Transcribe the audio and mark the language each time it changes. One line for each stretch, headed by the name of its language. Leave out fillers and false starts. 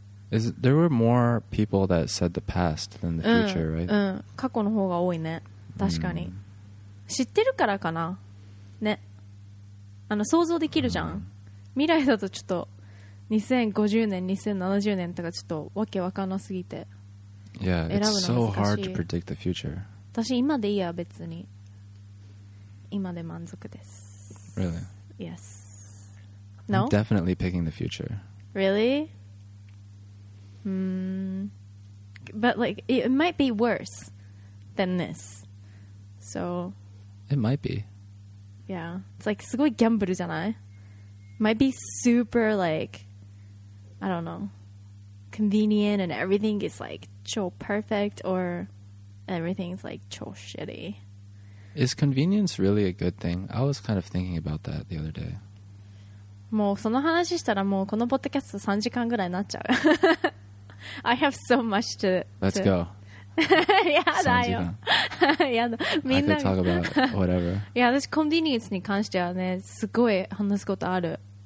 English: There were more people that said the past than the future、
Japanese: うん、
English: right?
Japanese: うん過去の方が多いね確かに、mm. 知ってるからかなね。あの想像できるじゃん、mm. 未来だとちょっと2050年2070年とかちょっとわけわかんなすぎて
English: Yeah
Japanese: 選ぶの難しい。
English: It's so hard to predict the future.
Japanese: 私今でいいや別に今で満足です。
English: Really? YesNo? I'm definitely picking the future. Really? Hmm. But like, it might be worse than this. So. It might be. Yeah. It's like,
Japanese: すごいギャンブルじゃない?
English: Might be super like, I don't know, convenient and everything is like, 超 perfect or everything's like, 超 shitty. Is convenience really a good thing? I was kind of thinking about that the other day.
Japanese: もうその話したらもうこのポッドキャスト3時間ぐらいになっちゃう。
English: I have so much to. Let's go.
Japanese: やだよ。やだ。みんな。
English: I could talk about whatever.
Japanese: いや、私コンビニエンスに関してはね、すごい話すことある。